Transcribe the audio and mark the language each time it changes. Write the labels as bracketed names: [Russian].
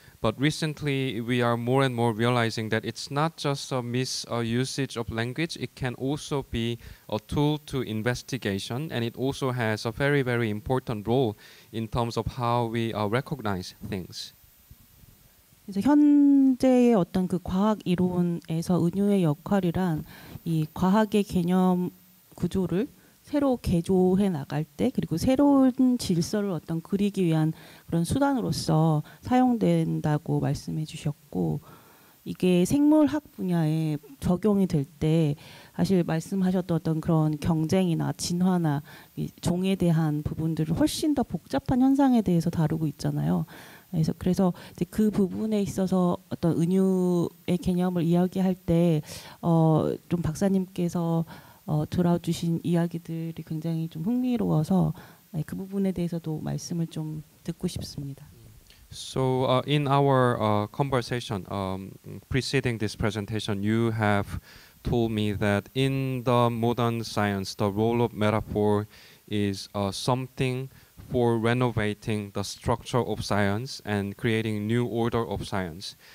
[English] But recently, we are more and more realizing that it's not just a misusage of language, it can also be a tool to investigation, and it also has a very, very important role in terms of how we recognize things. [Korean] 이제 현재의 어떤 그 과학 이론에서 은유의 역할이란 이 과학의 개념 구조를 새로 개조해 나갈 때 그리고 새로운 질서를 어떤 그리기 위한 그런 수단으로서 사용된다고 말씀해 주셨고 이게 생물학 분야에 적용이 될 때 사실 말씀하셨던 어떤 그런 경쟁이나 진화나 이 종에 대한 부분들을 훨씬 더 복잡한 현상에 대해서 다루고 있잖아요. 그래서 이제 그 부분에 있어서 어떤 은유의 개념을 이야기할 때 좀 박사님께서 돌아주신 이야기들이 굉장히 좀 흥미로워서 그 부분에 대해서도 말씀을 좀 듣고 싶습니다. [English] So in our conversation preceding this presentation, you have told me that in the modern science, the role of metaphor is something for renovating the structure of science and creating new order of science.